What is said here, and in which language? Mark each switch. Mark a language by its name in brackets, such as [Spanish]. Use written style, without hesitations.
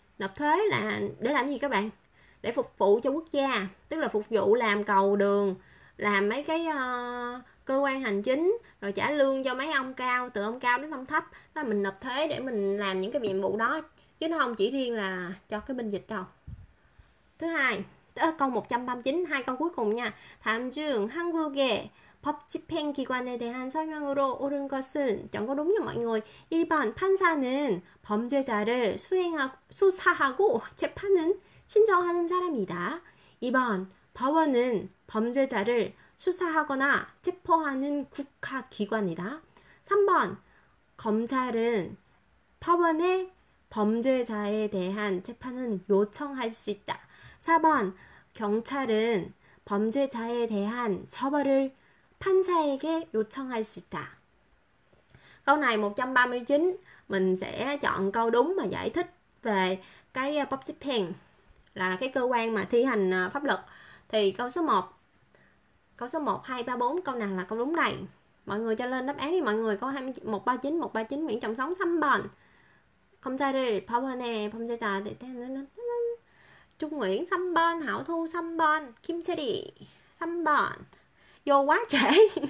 [Vietnamese] Nộp thuế là để làm gì các bạn? Để phục vụ cho quốc gia, tức là phục vụ làm cầu đường, làm mấy cái cơ quan hành chính, rồi trả lương cho mấy ông cao, từ ông cao đến ông thấp, đó là mình nộp thuế để mình làm những cái nhiệm vụ đó, chứ nó không chỉ riêng là cho cái binh dịch đâu. Thứ hai, câu 139, hai câu cuối cùng nha. Tham dương [Korean] 한국의 법 집행 기관에 대한 설명으로 옳은 것은, [Vietnamese] chọn có đúng cho mọi người. [Korean] 1번 판사는 범죄자를 수사하고 재판은 신청하는 사람이다. 2번 법원은 범죄자를 수사하거나 체포하는 국가기관이다. 3번 검찰은 법원에 범죄자에 대한 재판을 요청할 수 있다. 4번 경찰은 범죄자에 대한 처벌을 판사에게 요청할 수 있다. [Vietnamese] Câu này 139 mình sẽ chọn câu đúng mà giải thích về cái public pen là cái cơ quan mà thi hành pháp luật. Thì câu số 1, câu số 1, 2, 3, 4, câu nào là câu đúng đây? Mọi người cho lên đáp án đi mọi người. Câu 139, 139, Nguyễn Trọng Sống, [Korean] 3번 검찰을 법원에 범죄자 대태는 [Vietnamese] Trung Nguyễn, 3번 Hảo Thu, 3번 김채리, 3번 Vô quá trễ.